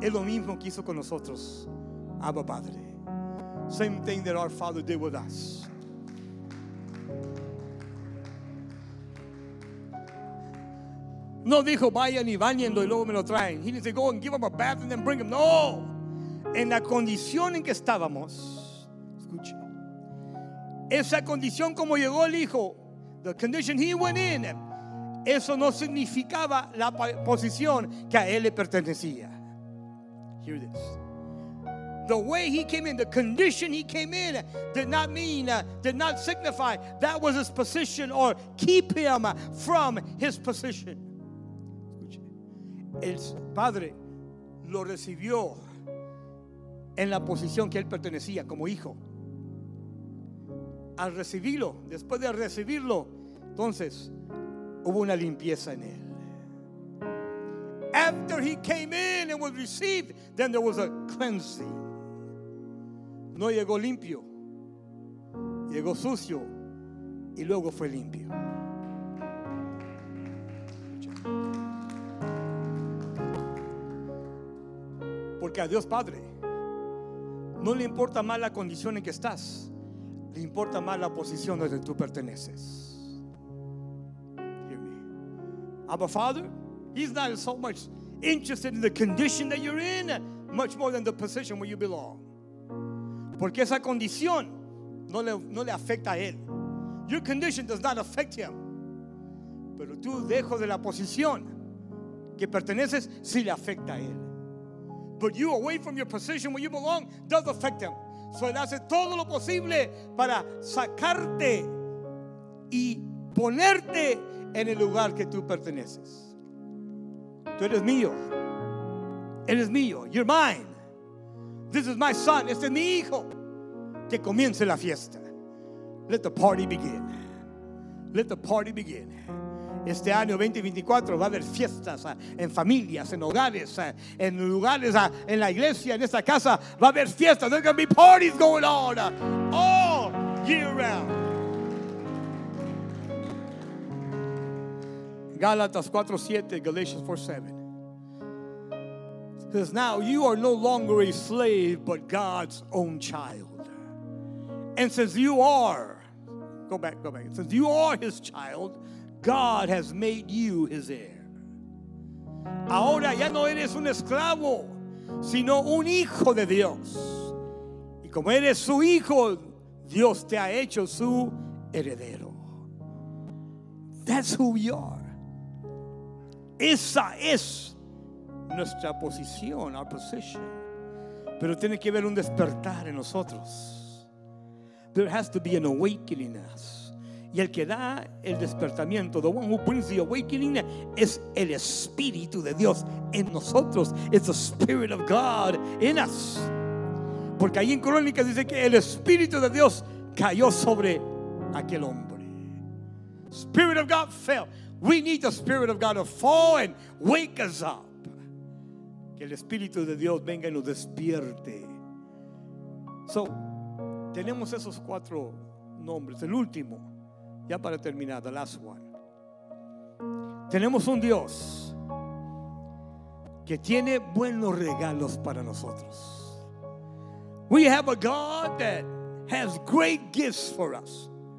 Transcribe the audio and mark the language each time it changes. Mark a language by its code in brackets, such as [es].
[es] Es lo mismo que hizo con nosotros, Abba Padre. [en] Same thing that our father did with us. [es] No dijo, vayan y bañenlo y luego me lo traen. [en] He needs to go and give him a bath and then bring him. [es] No. En la condición en que estábamos, escuche, esa condición como llegó el hijo, [en] the condition he went in, [es] eso no significaba la posición que a él le pertenecía. [en] Hear this. The way he came in, the condition he came in, did not mean, did not signify that was his position or keep him from his position. [es] Escuche, el padre lo recibió en la posición que él pertenecía como hijo. Al recibirlo, después de recibirlo, entonces hubo una limpieza en él. [en] After he came in and was received, then there was a cleansing. [es] No llegó limpio, llegó sucio y luego fue limpio. Porque a Dios Padre no le importa más la condición en que estás. le importa más la posición donde tú perteneces. [en] Hear me. Abba Father, he's not so much interested in the condition that you're in, much more than the position where you belong. [es] Porque esa condición no le afecta a él. [en] Your condition does not affect him. [es] Pero tú dejo de la posición que perteneces si le afecta a él. [en] But you away from your position where you belong does affect him. [es] So él hace todo lo posible para sacarte y ponerte en el lugar que tú perteneces. Tú eres mío. Eres mío. [en] You're mine. This is my son. [es] Este es mi hijo. Que comience la fiesta. [en] Let the party begin. Let the party begin. [es] Este año 2024 va a haber fiestas en familias, en hogares, en lugares, en la iglesia, en esta casa. Va a haber fiestas. [en] There's going to be parties going on all year round. Galatas 4:7, Galatians 4:7. Says, now you are no longer a slave, but God's own child. And since you are, go back. Since you are his child, God has made you his heir. [es] Ahora ya no eres un esclavo, sino un hijo de Dios. Y como eres su hijo, Dios te ha hecho su heredero. [en] That's who we are. [es] Esa es nuestra posición, [en] our position. [es] Pero tiene que haber un despertar en nosotros. [en] There has to be an awakening in us. [es] Y el que da el despertamiento, [en] the one who brings the awakening, [es] es el Espíritu de Dios en nosotros. [en] It's the Spirit of God in us. [es] Porque ahí en Crónicas dice que el Espíritu de Dios cayó sobre aquel hombre. [en] Spirit of God fell. We need the Spirit of God to fall and wake us up. [es] Que el Espíritu de Dios venga y nos despierte. So, tenemos esos cuatro nombres. El último. Ya para terminar, [en] the last one. [es] Tenemos un Dios que tiene buenos regalos para nosotros. [en] We have a God that has great gifts for us.